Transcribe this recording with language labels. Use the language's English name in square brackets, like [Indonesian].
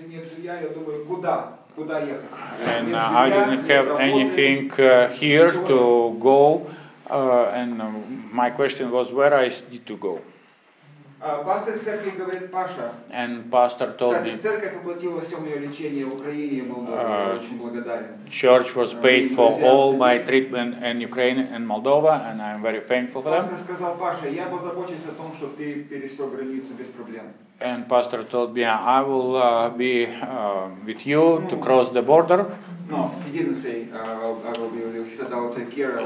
[English] And I didn't have anything here to go, and my question was where I need to go. [Russian] Пастор церкви говорит, Паша. [English] And pastor told me. [Russian] Церковь оплатила все мое лечение в Украине, Молдова. Очень благодарен. [English] Church was paid for all my treatment in Ukraine and Moldova, and I'm very thankful for them. [Russian] Пастор сказал, Паша, я позабочусь о том, чтобы ты пересек границу без проблем. [English] And pastor told me, I will be with you to cross the border. No, he didn't say I will be with you. He said I will take care of.